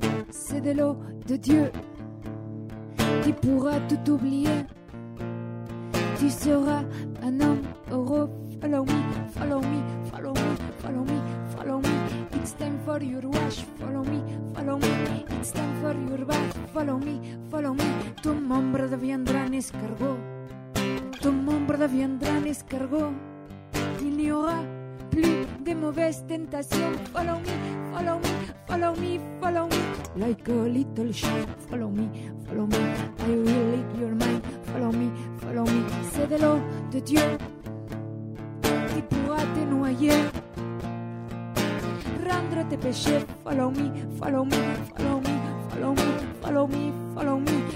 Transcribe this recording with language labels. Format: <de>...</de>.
<fr>C'est de l'eau de Dieu qui pourra tout oublier. Tu seras un homme heureux.</fr> <en>Follow me, follow me, follow me, follow me, follow me. It's time for your wash. Follow me, follow me. It's time for your bath. Follow me, follow me.</en> <fr>Ton ombre deviendra un escargot. Ton ombre deviendra un escargot. Il n'y aura plus de mauvaises tentations.</fr> <en>Follow me, follow me, follow me, follow me. Like a little sheep. Follow me, follow me. I will eat your mind. Follow me, follow me.</en> <fr>C'est de l'eau de Dieu qui pourra te noyer. Rendre tes péchés.</fr> <en>Follow me, follow me, follow me, follow me, follow me, follow me.</en>